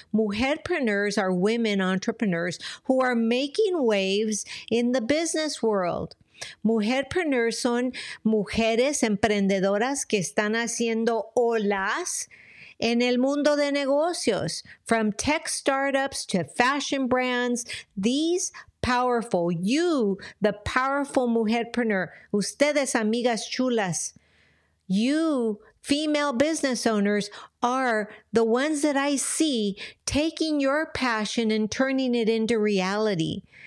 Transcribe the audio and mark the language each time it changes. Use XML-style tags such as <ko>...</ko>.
<en>Mujerpreneurs are women entrepreneurs who are making waves in the business world.</en> <es>Mujerpreneurs son mujeres emprendedoras que están haciendo olas en el mundo de negocios.</es> <en>From tech startups to fashion brands, these powerful, you, the powerful mujerpreneur,</en> <es>ustedes, amigas chulas,</es> <en>you, female business owners, are the ones that I see taking your passion and turning it into reality.</en>